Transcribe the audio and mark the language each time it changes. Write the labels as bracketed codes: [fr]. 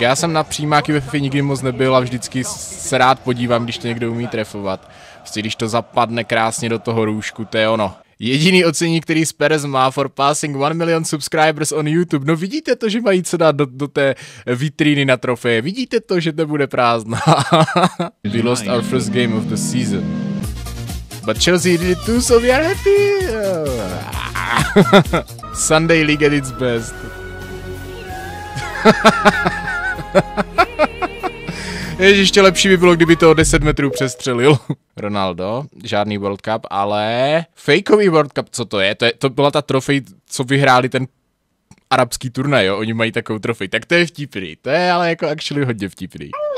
[cs] Já jsem na přímáky ve FIFA nikdy moc nebyl a vždycky se rád podívám, když to někdo umí trefovat. Prostě když to zapadne krásně do toho růžku, to je ono. Jediný ocenění, který Spurs má [en] for passing 1 million subscribers on YouTube. [cs] No vidíte to, že mají co dát do té vitríny na trofeje. Vidíte to, že to bude prázdná. [en] We lost our first game of the season. But Chelsea did it too, so we are happy. Sunday League at its best. [cs] Ještě lepší by bylo, kdyby to o 10 metrů přestřelil Ronaldo, žádný World Cup, ale fejkový World Cup, co to je? To byla ta trofej, co vyhráli ten arabský turnaj, jo? Oni mají takovou trofej, tak to je vtipný, to je ale jako actually hodně vtipný.